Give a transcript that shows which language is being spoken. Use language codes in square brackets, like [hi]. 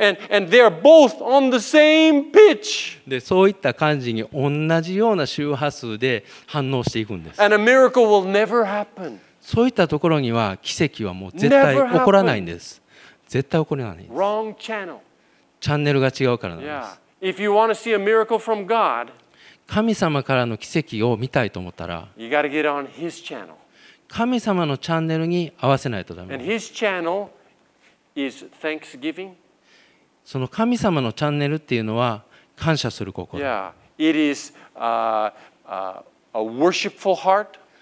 [en] And they're both on the same pitch. [ja] で、そういった感じに同じような周波数で反応していくんです。 [en] And a miracle will never happen. [ja] そういったところには奇跡はもう絶対起こらないんです。絶対起こらないんです。 [en] Wrong channel. [ja] チャンネルが違うからなんです。 [en] Yeah. If you want to see a miracle from God, [ja] 神様からの奇跡を見たいと思ったら、 [en] you got to get on His channel. [ja] 神様のチャンネルに合わせないとダメ。 [en] And His channel is thanksgiving. [ja] その神様のチャンネルっていうのは感謝する心。 [en] Yeah, it is a worshipful heart.